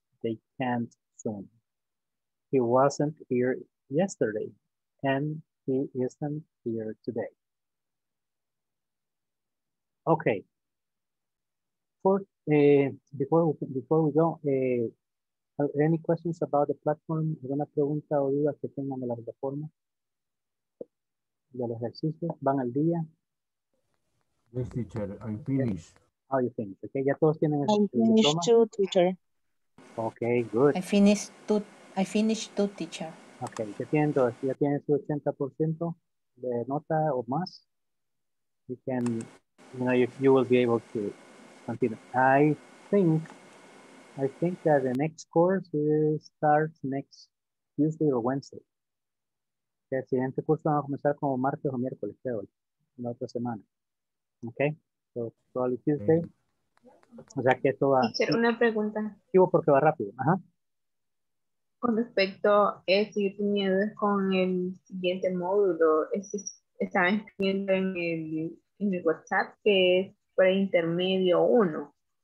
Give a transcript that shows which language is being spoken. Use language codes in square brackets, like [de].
[en] They can't swim. He wasn't here yesterday, and he isn't here today. Okay. Before we go, any questions about the platform? [es] ¿Alguna pregunta o dudas que tengan de la plataforma? ¿De los ejercicios? ¿Van al día? [en] Yes, teacher. I finish. Okay. Oh, you finish. Okay. [es] Ya todos tienen el diploma. [en] I finish too, teacher. Okay, good. I finished two teacher. [es] Okay, ¿qué siento? ¿Ya tienes su 80% de nota o más? [en] You can, you know, you will be able to continue. I think that the next course starts next Tuesday or Wednesday. [es] El siguiente curso va a comenzar como martes o miércoles, creo, en la otra semana. [en] Okay, so probably Tuesday. [es] O sea que esto va. Teacher, una pregunta. Digo porque va rápido. Ajá. Con respecto a si yo tenía dudas con el siguiente módulo, estaba escribiendo en el WhatsApp que es preintermedio 1.